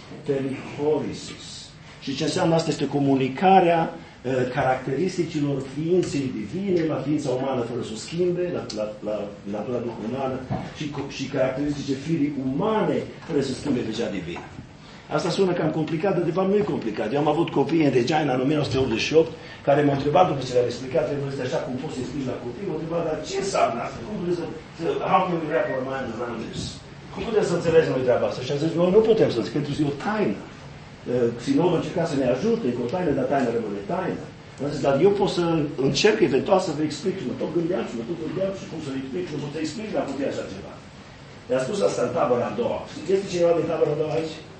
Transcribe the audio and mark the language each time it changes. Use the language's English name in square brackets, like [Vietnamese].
[Romanian] Perihorisis. Și ce înseamnă asta este comunicarea caracteristicilor ființei divine la ființa umană fără să o schimbe, la natura duhovnă și caracteristice firii umane fără să schimbe pe cea divină. Asta sună cam complicat, dar de fapt nu e complicat. Eu am avut copii în Regina în 1988 care m-au întrebat după ce le-am explicat, trebuie să așa cum poți să explici la copii, m-au întrebat, dar ce înseamnă asta? Cum puteți să... [English] How can we wrap our minds around this? [Romanian] Cum puteți să înțelegi noi treaba asta? Și am zis, noi nu putem să înțelegi, pentru că e o taină. Sinodul încerca să ne ajute, e o taină, dar taină rămâne taină. Am zis, dar eu pot să încerc eventual să vă explic, mă tot gândeam și cum să vă explic, nu pot să explic la copii așa ceva. Le-a spus asta în tabăra a doua. Este cineva din tabăra a doua aici?